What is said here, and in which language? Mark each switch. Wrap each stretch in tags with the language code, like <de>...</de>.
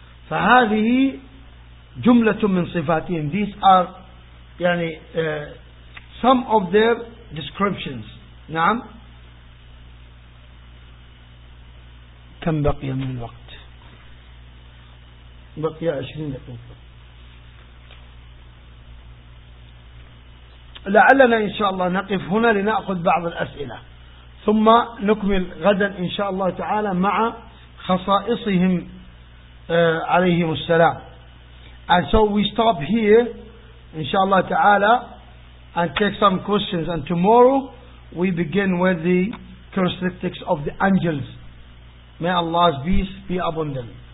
<ar>فهذه جملة من صفاتهم.</ar> <en>These are يعني some of their descriptions.</en> <ar>نعم. كم بقي من الوقت؟ بقي 20 دقيقة. لعلنا إن شاء الله نقف هنا لنأخذ بعض الأسئلة ثم نكمل غدا إن شاء الله تعالى مع خصائصهم عليهم السلام.</ar> <en>And so we stop here</en> <ar>إن شاء الله تعالى</ar> <en>and take some questions, and tomorrow we begin with the characteristics of the angels. May Allah's peace be upon them.</en>